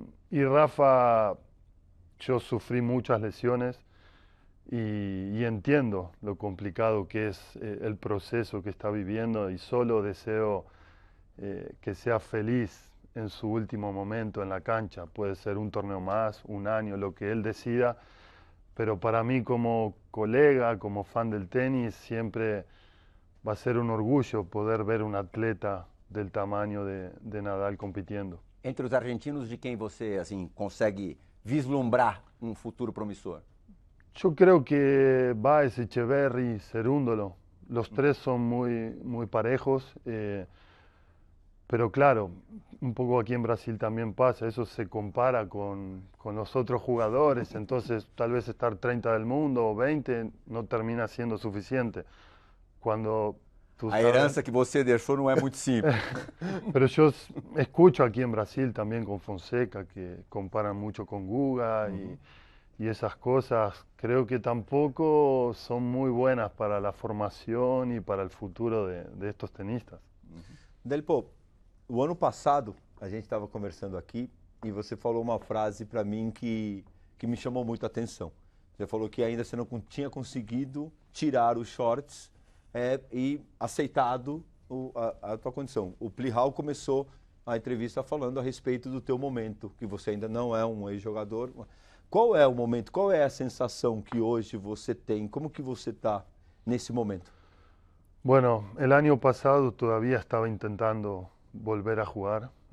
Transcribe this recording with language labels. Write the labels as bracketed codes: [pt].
[es] Y Rafa, yo sufrí muchas lesiones y entiendo lo complicado que es el proceso que está viviendo y solo deseo que sea feliz en su último momento en la cancha. Puede ser un torneo más, un año, lo que él decida, pero para mí como colega, como fan del tenis, siempre va a ser un orgullo poder ver un atleta del tamaño de Nadal compitiendo. [pt] Entre os argentinos, de quem você assim consegue vislumbrar um futuro promissor? Eu creio que Baez, Echeverri, Cerúndolo, os três são muito [es] parejos. [pt] Mas, claro, um pouco aqui em Brasil também passa. Isso se compara com os outros jogadores. Então, talvez estar 30 do mundo ou 20 não termina sendo suficiente. Quando a herança que você deixou não é muito simples. [es] Pero yo escucho aquí en Brasil también con Fonseca, que comparan mucho con Guga y esas cosas. Creo que tampoco son muy buenas para la formación y para el futuro de estos tenistas. [pt] Delpo, o ano passado a gente estava conversando aqui e você falou uma frase para mim que me chamou muito a atenção. Você falou que ainda você não tinha conseguido tirar os shorts e aceitado a tua condição. O Plihal começou a entrevista falando a respeito do teu momento, que você ainda não é um ex-jogador. Qual é o momento, qual é a sensação que hoje você tem? Como que você está nesse momento? [es] Bueno, el año pasado todavía estaba intentando volver a jugar.